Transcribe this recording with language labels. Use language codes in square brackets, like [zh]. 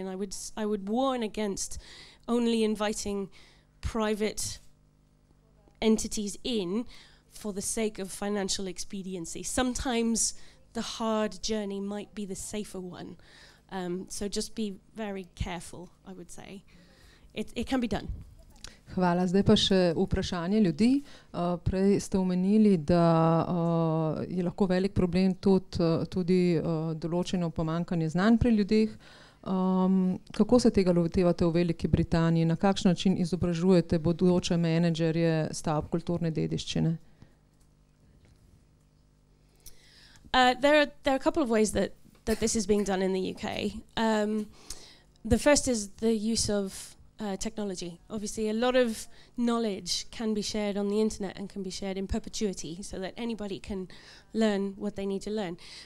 [en] And I would warn against only inviting private entities in for the sake of financial expediency. Sometimes the hard journey might be the safer one. So just be very careful, I would say. It can be done. [sl] Hvala. Zdaj pa še vprašanje ljudi. Prej ste omenili, da je lahko velik problem tudi določeno pomankanje znanj pri ljudih. Kako se tega lotevate v Veliki Britaniji? Na kakšen način izobražujete bodoče menedžerje stavb kulturne dediščine? [en] There are a couple of ways that this is being done in the UK. The first is the use of technology. Obviously, a lot of knowledge can be shared on the internet and can be shared in perpetuity so that anybody can learn what they need to learn.